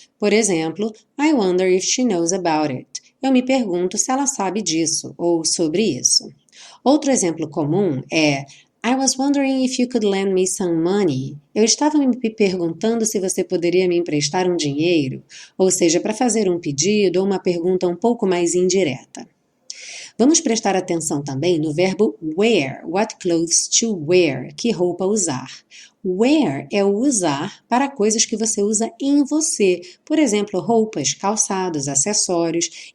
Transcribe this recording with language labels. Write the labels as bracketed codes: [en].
[pt] Por exemplo, [en] I wonder if she knows about it. [pt] Eu me pergunto se ela sabe disso ou sobre isso. Outro exemplo comum é [en] I was wondering if you could lend me some money. [pt] Eu estava me perguntando se você poderia me emprestar um dinheiro, ou seja, para fazer um pedido ou uma pergunta um pouco mais indireta. Vamos prestar atenção também no verbo wear, [en] what clothes to wear, [pt] que roupa usar. Wear é o usar para coisas que você usa em você, por exemplo, roupas, calçados, acessórios.